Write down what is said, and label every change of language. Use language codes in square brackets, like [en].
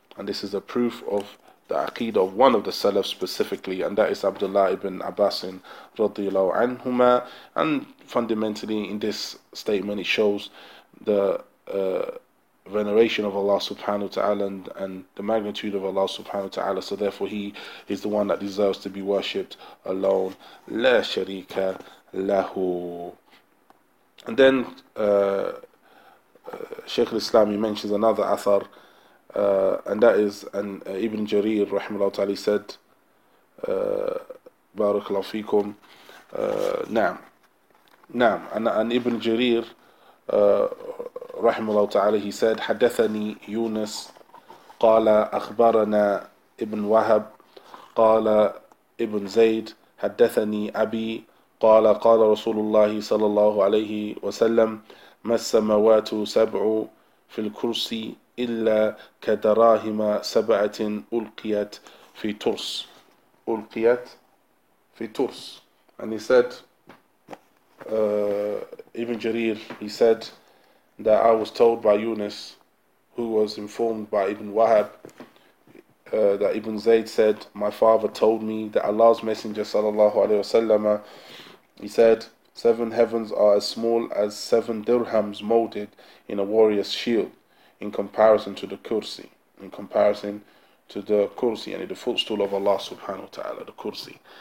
[en] And this is a proof of the aqidah of one of the Salaf specifically, and that is Abdullah ibn Abbas radiallahu anhuma. And fundamentally, in this statement, it shows the veneration of Allah subhanahu wa ta'ala and the magnitude of Allah subhanahu wa ta'ala. So therefore he is the one that deserves to be worshipped alone. [ar] La sharika lahu. [en] And then Shaykh al-Islam, he mentions another athar, and that is Ibn Jarir rahimahullah ta'ala said, [ar] barakallahu feekum, naam, and Ibn Jarir رحمه الله تعالى [en] he said [ar] حدثني يونس قال أخبرنا ابن وهب قال ابن زيد حدثني أبي قال قال رسول الله صلى الله عليه وسلم ما السماوات سبع في الكرسي إلا كدراهم سبعة ألقيت في ترس ألقيت في ترس. [en] And he said Ibn Jarir, he said that I was told by Yunus, who was informed by Ibn Wahab, that Ibn Zayd said, my father told me that Allah's Messenger sallallahu alayhi wa sallam, he said, seven heavens are as small as seven dirhams molded in a warrior's shield in comparison to the kursi, in comparison to the kursi, yani the footstool of Allah subhanahu wa ta'ala, the kursi.